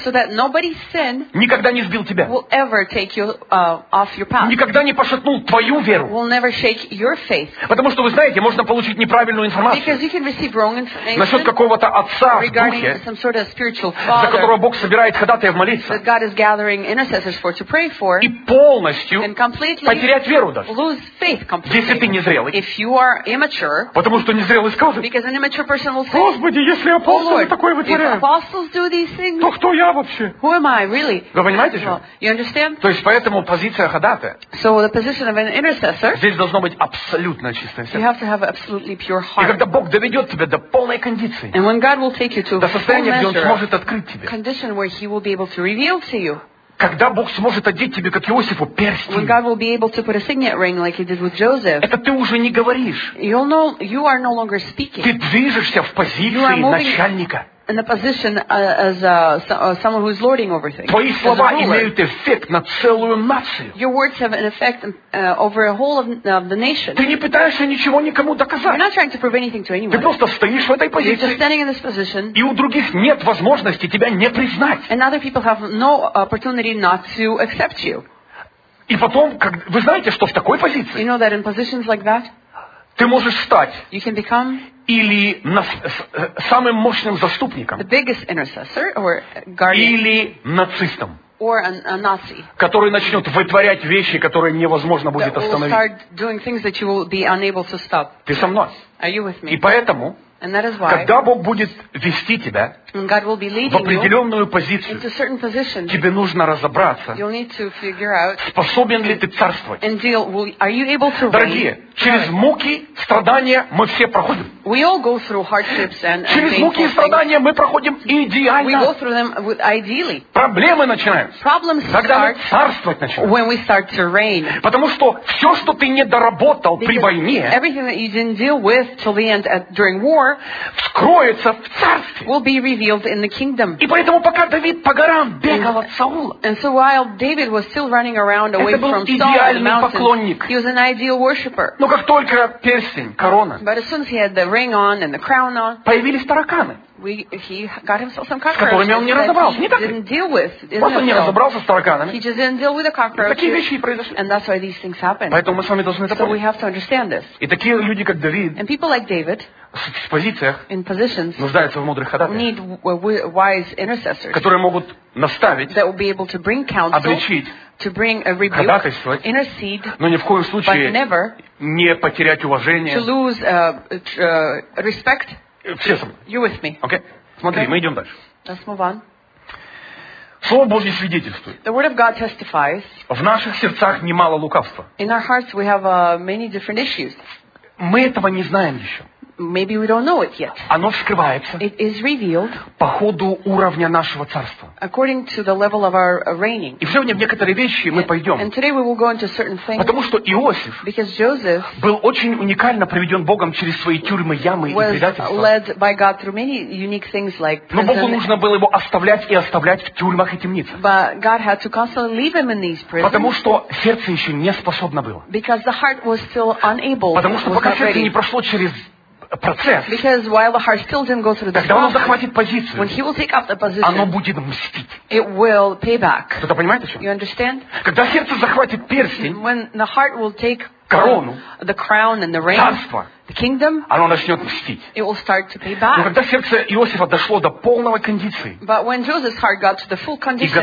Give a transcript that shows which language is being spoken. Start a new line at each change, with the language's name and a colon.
English: so that nobody's sin
Russian: никогда не сбил тебя,
English: will ever take you, off your path.
Russian: Никогда не пошатнул твою веру,
English: will never shake your faith.
Russian: Потому что, вы знаете, можно получить неправильную информацию,
English: because you can receive wrong information
Russian: насчет какого-то отца в
English: духе, some sort of spiritual father,
Russian: за которого Бог собирает ходатая в молиться,
English: that God is gathering intercessors for, to pray for,
Russian: и полностью
English: and completely
Russian: потерять веру даже,
English: lose faith completely,
Russian: если ты незрелый,
English: if you are immature,
Russian: потому что незрелый скажет, Господи, если апостолы такое вытворяют, то кто я вообще?
English: Who am I, really?
Russian: Вы понимаете, что?
English: Well, you understand?
Russian: То есть поэтому позиция ходатая,
English: so the position of an intercessor,
Russian: здесь должно быть абсолютно чистое сердце.
English: You have to have absolutely pure heart.
Russian: И когда Бог доведет тебя до полной condition,
English: and when God will take you to
Russian: до состояния, где Он сможет открыть тебе,
English: condition where He will be able to reveal to you,
Russian: когда Бог сможет одеть тебе, как Иосифу, перстень,
English: when God will be able to put a signet ring like He did with Joseph,
Russian: это ты уже не говоришь,
English: you'll know, you are no longer speaking,
Russian: ты движешься в позиции
English: moving
Russian: начальника,
English: in the position as someone who is lording over things.
Russian: Твои слова имеют эффект на целую нацию.
English: Your words have an effect over a whole of the nation.
Russian: Ты не пытаешься ничего никому доказать.
English: You're not trying to prove anything to anyone.
Russian: Ты просто стоишь в этой позиции.
English: You're just standing in this position.
Russian: И у других нет возможности тебя не признать.
English: And other people have no opportunity not to accept you.
Russian: И потом, как, вы знаете, что в такой позиции?
English: You know that in positions like that,
Russian: ты можешь стать.
English: You can become.
Russian: Или самым мощным заступником,
English: the biggest intercessor or guardian,
Russian: или нацистом,
English: or a Nazi,
Russian: который начнет вытворять вещи, которые невозможно будет остановить. Ты со мной.
English: Are you with me?
Russian: И поэтому,
English: and that is why,
Russian: когда Бог будет вести тебя
English: God will be leading
Russian: в определенную позицию,
English: into certain positions,
Russian: тебе нужно разобраться,
English: you'll need to figure out,
Russian: способен ли ты царствовать.
English: And deal, will, are you able to
Russian: Дорогие,
English: reign?
Russian: Через муки, страдания мы все проходим.
English: We all go through hardships and
Russian: через муки и страдания мы проходим идеально.
English: We go through them with ideally.
Russian: Проблемы начинаются.
English: Problems start
Russian: когда мы царствовать начинаем.
English: When we start to reign.
Russian: Потому что все, что ты не доработал при войне,
English: everything that you didn't deal with till the end at, during war,
Russian: вскроется в царстве.
English: Will be revealed in the kingdom.
Russian: И поэтому пока Давид по горам бегал от Саула,
English: and so while David was still running around away from Saul,
Russian: это был идеальный поклонник.
English: He was an ideal worshipper.
Russian: Но как только перстень, корона,
English: but as soon as he had the ring on and the crown on,
Russian: появились тараканы.
English: He got himself some cockroaches.
Russian: С которыми он не разобрался, не так?
English: Didn't deal with.
Russian: Просто не разобрался с тараканами.
English: He just didn't deal with the cockroaches.
Russian: Такие вещи и произошли.
English: And that's why these things happen.
Russian: Поэтому мы с вами должны это понять.
English: So we have to understand this.
Russian: И такие люди, как Давид,
English: and people like David,
Russian: в позициях
English: in positions,
Russian: нуждаются в мудрых ходатаях,
English: need wise intercessors,
Russian: которые могут наставить,
English: that will be able to bring counsel,
Russian: обличить,
English: to bring a rebuke,
Russian: ходатайствовать,
English: intercede,
Russian: но ни в коем случае
English: but never,
Russian: не потерять уважение.
English: To lose, respect.
Russian: Все со мной.
English: You with me. Okay.
Russian: Смотри, okay. Мы идем дальше.
English: Let's move on.
Russian: Слово Божье свидетельствует.
English: The word of God testifies,
Russian: в наших сердцах немало лукавства.
English: In our hearts we have, many different issues.
Russian: Мы этого не знаем еще.
English: Maybe we don't know it yet.
Russian: Оно вскрывается.
English: It is revealed.
Russian: По ходу уровня нашего царства.
English: According to the level of our reigning.
Russian: И сегодня в некоторые вещи мы пойдем.
English: And today we will go into certain things.
Russian: Потому что Иосиф,
English: because Joseph,
Russian: был очень уникально приведен Богом через свои тюрьмы, ямы и предательства.
English: Was led by God through many unique things like prison.
Russian: Но Богу нужно было его оставлять и оставлять в тюрьмах и темницах.
English: But God had to constantly leave him in these prisons.
Russian: Потому что сердце еще не способно было.
English: Because the heart was still unable.
Russian: Потому что пока сердце не прошло через процесс,
English: because while the heart still didn't go through the
Russian: process, когда он захватит позицию,
English: when he will take up the position,
Russian: оно будет мстить.
English: It will pay back.
Russian: Кто-то понимает, о чем?
English: You understand?
Russian: Когда сердце захватит перстень,
English: when the heart will take
Russian: корону,
English: the crown and the ring,
Russian: царство,
English: the kingdom,
Russian: оно начнет мстить.
English: It will start to pay back.
Russian: Но когда сердце Иосифа дошло до полной кондиции,
English: but when Joseph's heart got to the full condition,